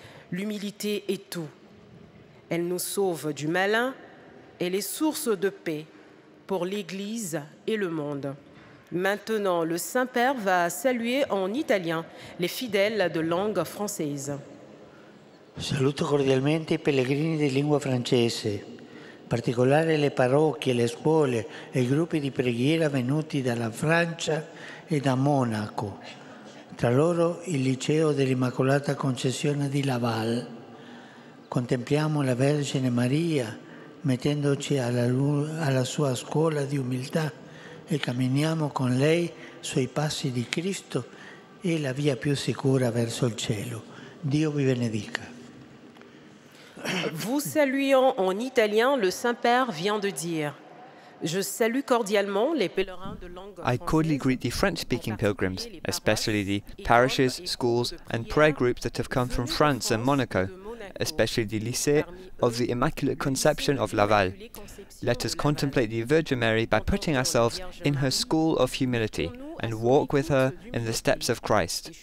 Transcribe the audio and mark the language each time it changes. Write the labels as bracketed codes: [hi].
[fr] L'humilité est tout. Elle nous sauve du malin, elle est source de paix pour l'Église et le monde. Maintenant, le Saint-Père va saluer en italien les fidèles de langue française. [it] Saluto cordialmente i pellegrini di lingua francese, in particolare le parrocchie, le scuole e i gruppi di preghiera venuti dalla Francia e da Monaco. Tra loro il liceo dell'Immacolata Concezione di Laval. Contempliamo la Vergine Maria mettendoci alla sua scuola di umiltà e camminiamo con lei sui passi di Cristo e la via più sicura verso il cielo. Dio vi benedica. [fr] Vous saluant en italien, le Saint-Père vient de dire: Je salue cordialement les pèlerins de langue française. [en] I cordially greet the French-speaking pilgrims, especially the parishes, schools, and prayer groups that have come from France and Monaco, especially the lycée of the Immaculate Conception of Laval. Let us contemplate the Virgin Mary by putting ourselves in her school of humility and walk with her in the steps of Christ.